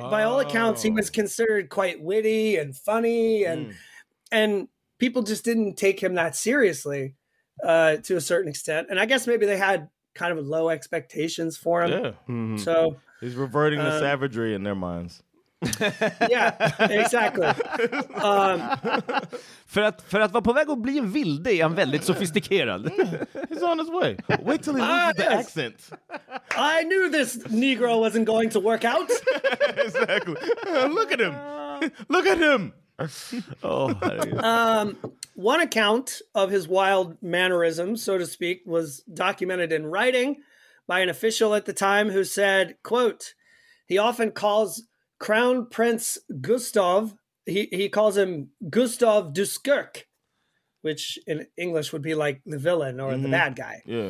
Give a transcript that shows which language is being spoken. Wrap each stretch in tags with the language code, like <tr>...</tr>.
<en>Oh. By all accounts, he was considered quite witty and funny, and people just didn't take him that seriously to a certain extent. And I guess maybe they had kind of low expectations for him. Yeah. Mm-hmm. So he's reverting to savagery in their minds. Yeah, exactly.</en> <sv>För att vara på väg att bli en vilde är han väldigt sofistikerad.</sv> <en>He's on his way. Wait till he loses the accent. I knew this Negro wasn't going to work out. Exactly. Look at him. Look at him. Oh, one account of his wild mannerism, so to speak, was documented in writing by an official at the time who said, quote, he often calls Crown Prince Gustav, he calls him Gustav Duskirk, which in English would be like the villain or the bad guy.</en>